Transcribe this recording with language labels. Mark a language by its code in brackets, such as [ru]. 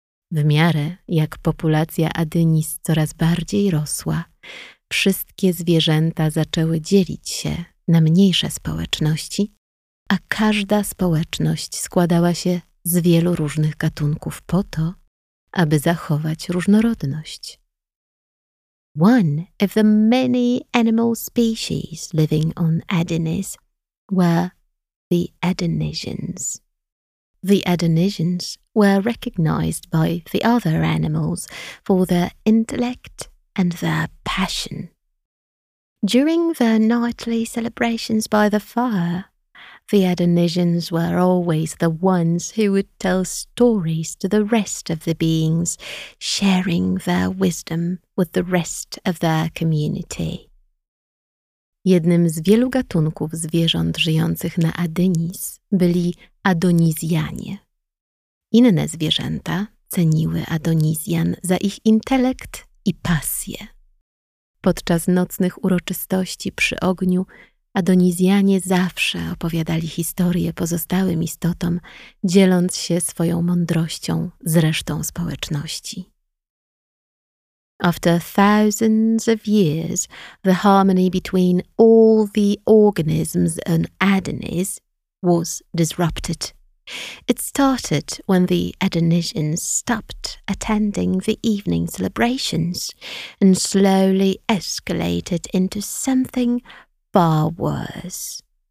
[pl] W miarę jak populacja Adonis coraz bardziej rosła, wszystkie zwierzęta zaczęły dzielić się na mniejsze społeczności, a każda społeczność składała się z wielu różnych gatunków po to, aby zachować różnorodność. [en] One of the many animal species living on Adonis were the Adonisians. The Adonisians were recognized by the other animals for their intellect and their passion. During their nightly celebrations by the fire, the Adonisians were always the ones who would tell stories to the rest of the beings, sharing their wisdom with the rest of their community. [pl] Jednym z wielu gatunków zwierząt żyjących na Adonis byli Adonizjanie. Inne zwierzęta ceniły Adonizjan za ich intelekt i pasję. Podczas nocnych uroczystości przy ogniu Adonizjanie zawsze opowiadali historie pozostałym istotom, dzieląc się swoją mądrością z resztą społeczności. [en] After thousands of years, the harmony between all the organisms on Adonis was disrupted. It started when the Adonisians stopped attending the evening celebrations and slowly escalated into something far worse.